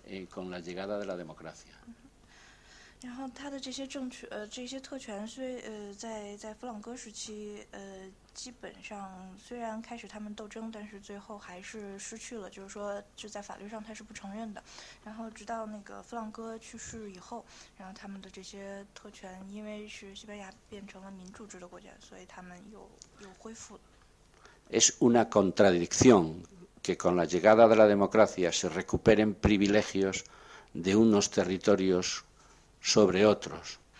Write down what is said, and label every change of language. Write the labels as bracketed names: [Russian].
[Spanish] con la llegada de la democracia. [Chinese] 然后他的这些政权，基本上虽然开始他们斗争，但是最后还是失去了，就是说就在法律上他是不承认的。然后直到那个弗朗哥去世以后，然后他们的这些特权，因为是西班牙变成了民主制的国家，所以他们又恢复了。 [Spanish] Es una contradicción que con la llegada de la democracia se recuperen privilegios de unos territorios sobre otros.